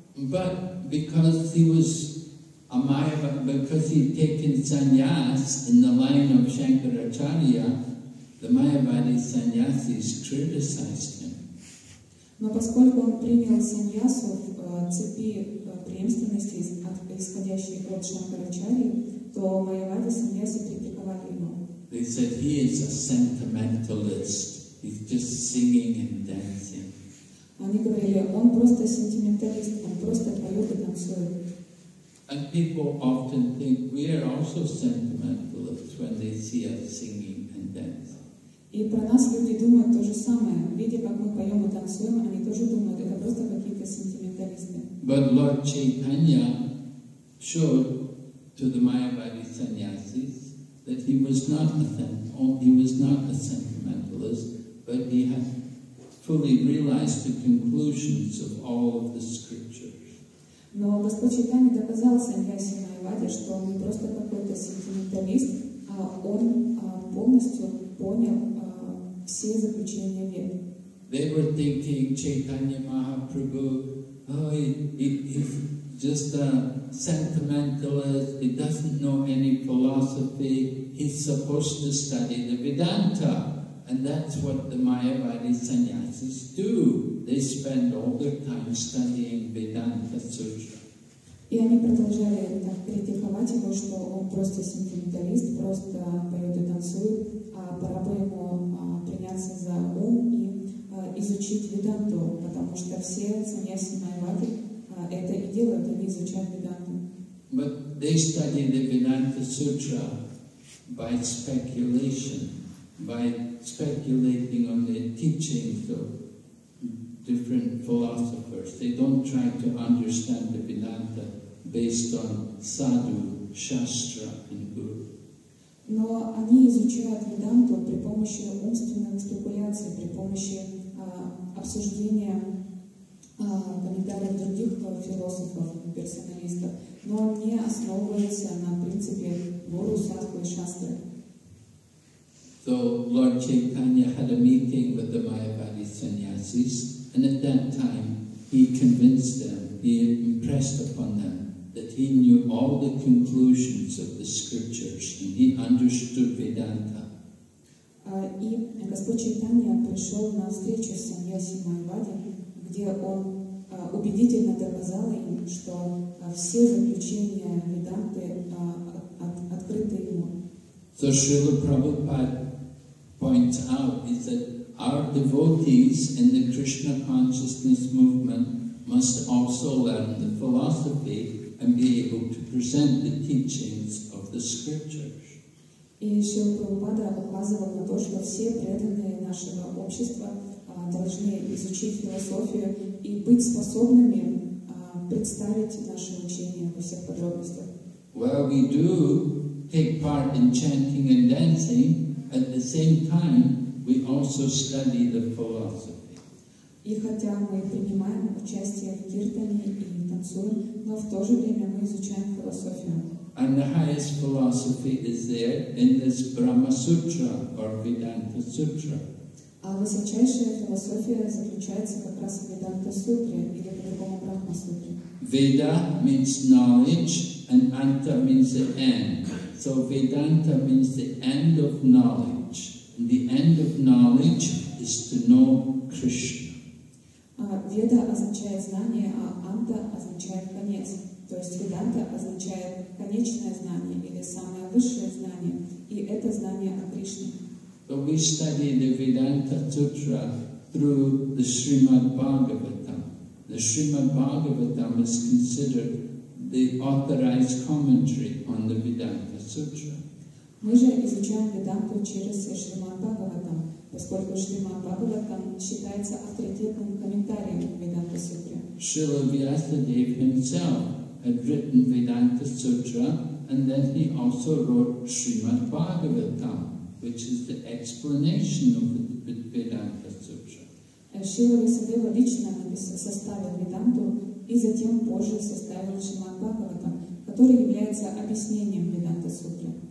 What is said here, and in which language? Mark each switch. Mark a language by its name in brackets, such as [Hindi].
[English] But because he was a Mayavadi, because he had taken sannyas in the line of Shankaracharya, the Mayavadi sannyasis criticized him. [Russian] Но поскольку он принял саньясу в цепи преемственности, исходящей от Шанкарачарьи, то Майявади саньяси критиковали его. [English] They said he is a sentimentalist. He's just singing and dancing. [Russian] Они говорили, он просто какой-то сентименталист, он просто поет и танцует. [English] And people often think we are also sentimentalists when they see us singing and dancing. [Russian] И про нас люди думают то же самое, видя как мы поем и танцуем, они тоже думают, это просто какие-то сентименталисты. [English] But Lord Chaitanya showed to the Mayavadi sannyasis that he was not a sentimentalist, but he had fully realized the conclusions of all of the scriptures. [Russian] Но Господь Чайтанья доказал Саньяси Майваде, что он не просто какой-то сентименталист, а он полностью понял все заключения Веды. [English] They were thinking Chaitanya Mahaprabhu, oh, he's just a sentimentalist, he doesn't know any philosophy, he's supposed to study the Vedanta. And that's what the Mayavadi sannyasis do. They spend all their time studying Vedanta Sutra. [Russian] И они продолжали так критиковать его, что он просто сентименталист, просто поет и танцует, а пора бы ему приняться за ум и изучить Веданту, потому что все сannyasi Mayavadi это и делают, они изучают Веданту. [English] But they study the Vedanta Sutra by speculation, by speculating on the teachings of different philosophers. They don't try to understand the Vedanta based on sadhu, shastra, and guru. [Russian] Но они изучают Веданту при помощи умственных спекуляций, при помощи обсуждения комментариев других философов, персоналистов. Но они основываются на принципе гуру, садху и шастры. [English] So Lord Chaitanya had a meeting with the Mayavadi sannyasis, and at that time he convinced them, he impressed upon them that he knew all the conclusions of the scriptures and he understood Vedanta. [Russian] И Господь Чайтанья пришел на встречу с саньяси Майвади, где он убедительно доказал им, что все заключения Веданты открыты ему. [English] So Srila Prabhupada points out is that our devotees in the Krishna consciousness movement must also learn the philosophy and be able to present the teachings of the scriptures. [Russian] И Шрила Прабхупада указывал на то, что все преданные нашего общества должны изучить философию и быть способными представить наши учения во всех подробностях. [English] While we do take part in chanting and dancing, at the same time, we also study the philosophy. [Russian] И хотя мы принимаем участие в киртане и танцуем, но в то же время мы изучаем философию. [English] And the highest philosophy is there in this Brahma Sutra or Vedanta Sutra. [Russian] А высочайшая философия заключается как раз в Веданта Сутре или в другом Брахма Сутре. [English] Veda means knowledge, and Anta means the end. So Vedanta means the end of knowledge. And the end of knowledge is to know Krishna. [Russian] Veda означает знание, а Anta означает конец. То есть Vedanta означает конечное знание или самое высшее знание. И это знание о Кришне. [English] So we study the Vedanta Sutra through the Srimad Bhagavatam. The Srimad Bhagavatam is considered the authorized commentary on the Vedanta Sutra. [Russian] Мы же изучаем Веданту через Шримад Бхагаватам, поскольку Шримад Бхагаватам считается авторитетным комментарием Веданта Сутры. [English] Шрила Вьясадева himself had written Vedanta Sutra, and then he also wrote Shrimad Bhagavatam, which is the explanation of the Vedanta Sutra. [Russian] Шрила Вьясадева лично составил Веданту и затем позже составил Шримад Бхагаватам, который является объяснением Веданта Сутры.